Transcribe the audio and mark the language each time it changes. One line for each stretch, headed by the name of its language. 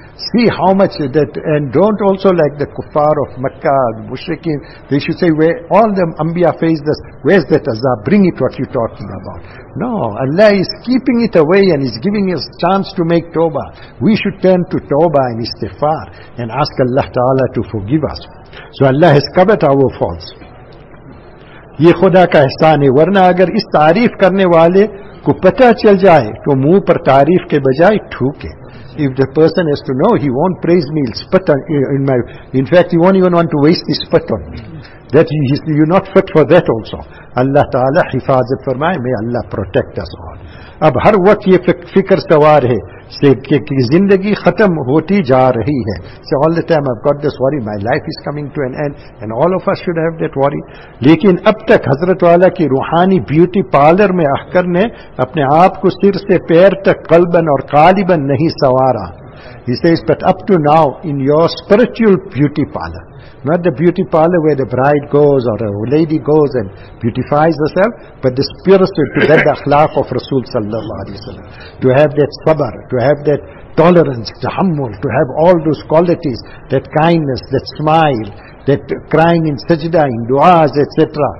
English: See how much that, and don't also like the kuffar of Makkah, the mushrikeen, they should say, where all the Anbiya faced this, where's that azab? Bring it what you're talking about. No, Allah is keeping it away and is giving us chance to make tawbah. We should turn to tawbah and istighfar and ask Allah Ta'ala to forgive us. So Allah has covered our faults.
Urdu: یہ خدا کا احسان ہے. ورنہ اگر اس تعریف کرنے والے کو پتہ چل جائے تو منہ پر تعریف کے بجائے ٹھوکے.
English: If the person has to know, he won't praise me, he'll spit on, in fact, he won't even want to waste his spit on me. That you're not fit for that also.
Urdu: Allah Ta'ala hifazat farmaye,
English: may Allah protect us all.
Urdu: اب ہر وقت یہ فکر سوار ہے کہ زندگی ختم ہوتی جا رہی ہے.
English: So all the time I've got this worry, my life is coming to an end, and all of us should have that worry.
Urdu: لیکن اب تک حضرت والا کی روحانی بیوٹی پارلر میں احکر نے اپنے آپ کو سر سے پیر تک قلباً اور قالباً نہیں سوارا.
English: He says, but up to now, in your spiritual beauty parlor, not the beauty parlor where the bride goes or a lady goes and beautifies herself, but the spiritual, to get the akhlaq of Rasul sallallahu alayhi wa sallam, to have that sabr, to have that tolerance, tahammul, to have all those qualities, that kindness, that smile, that crying in sajda, in du'as, etc.